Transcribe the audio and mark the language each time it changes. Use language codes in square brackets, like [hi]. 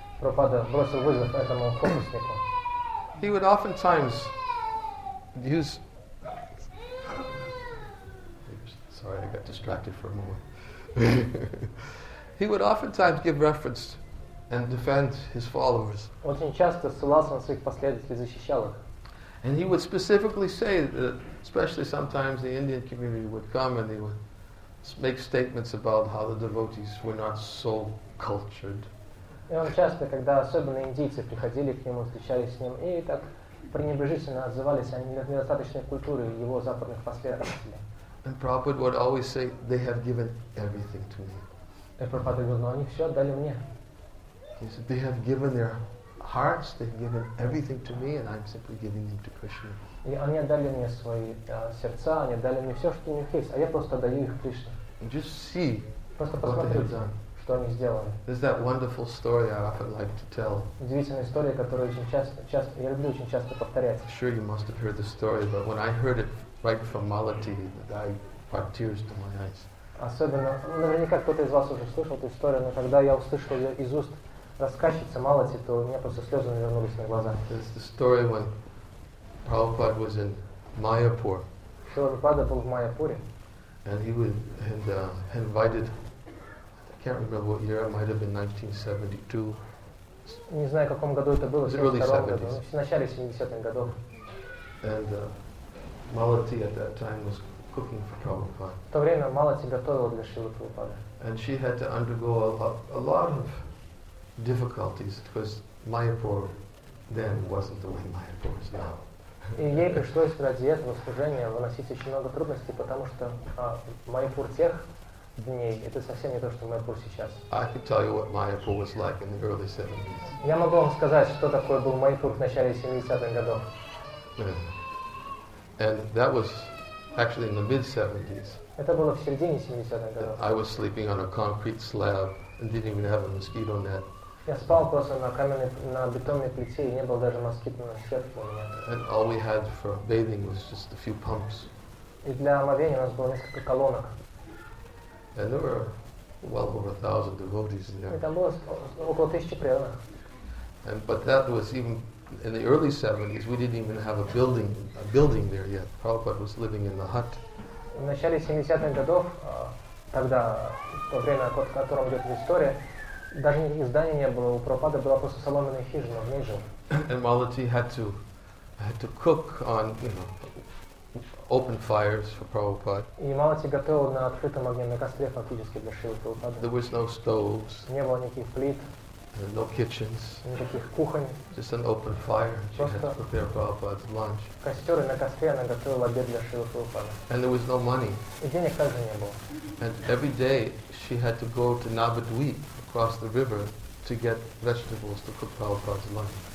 [ru] Прабхупада бросил вызов этому фокуснику. [en] He would oftentimes use. Sorry, I got distracted for a moment. He would oftentimes give reference and defend his followers. [ru] Очень часто ссылался на своих последователей, защищал их. [en] And he would specifically say that, especially sometimes the Indian community would come and they would make statements about how the devotees were not so cultured. [ru] И он часто, когда особенно индийцы приходили к нему, встречались с ним, и так пренебрежительно отзывались о недостаточной культуре его западных последователей. [en] And Prabhupada would always say, they have given everything to me. [ru] И Прабхупада говорил, но они все отдали мне. [en] He said, they have given their hearts, they've given everything to me, and I'm simply giving them to Krishna. [ru] И они отдали мне свои сердца, они отдали мне все, что у них есть, а я просто отдаю их Кришне. [en] And just see what they have done. [ru] Что они сделали. [en] There's that wonderful story I often like to tell. [ru] Удивительная история, которую очень часто, я люблю очень часто повторять. [en] Sure, you must have heard the story, but when I heard it right from Malati, I brought tears to my eyes. [ru] Особенно, наверняка кто-то из вас уже слышал эту историю, но когда я услышал ее из уст рассказчица Малати, то у меня просто слезы навернулись на глаза. [en] It's the story when Prabhupada was in Mayapur. [ru] Шрила Прабхупада был в Майяпуре. [en] And he was invited. I can't remember what year. It might have been 1972. [ru] Не знаю, в каком году это было. [en] Early [ru] 70s. В начале 70-х годов. [en] And Malati at that time was cooking for Prabhupada. [ru] В то время Малати готовила для Шрилы Прабхупады. [en] And she had to undergo a lot of difficulties because Mayapur then wasn't the way Mayapur is now. [ru] И ей пришлось ради этого служения выносить очень много трудностей, потому что Майяпур тех дней это совсем не то, что Майяпур сейчас. [en] I can tell you what Mayapur was like in the early 70s. [ru] Я могу вам сказать, что такое был Майяпур в начале 70-х годов. [en] And that was actually in the mid 70s. [ru] Это было в середине 70-х годов. [en] I was sleeping on a concrete slab and didn't even have a mosquito net. [ru] Я спал просто на каменной, на бетонной плите, и не было даже москитной сетки у меня. [en] And all we had for bathing was just a few pumps. [ru] И для омовения у нас было несколько колонок. [en] And there were well over 1,000 devotees in there. [ru] И там было около 1,000 преданных. [en] And but that was even in the early 70s, we didn't even have a building there yet. Prabhupada was living in the hut. [ru] В начале 70-х годов, тогда, то время, о котором идет история, даже никаких зданий не было. У Прабхупады была просто соломенная хижина, в ней жил. [en] And Malati had to had to cook on, you know, open fires for Prabhupada. [ru] И Малати готовил на открытом огне на костре фактически для Шрилы Прабхупады. [en] There was no stoves. [ru] Не было никаких плит. [en] No kitchens. [ru] Никаких кухонь. [en] Just an open fire. She had to prepare Prabhupada's lunch. [ru] Костер, и на костре она готовила обед для Шрилы Прабхупады. [en] And there was no money. [ru] И денег также не было. [en] And every day she had to go to Navadvip across the river to get vegetables to cook Prabhupada's lunch.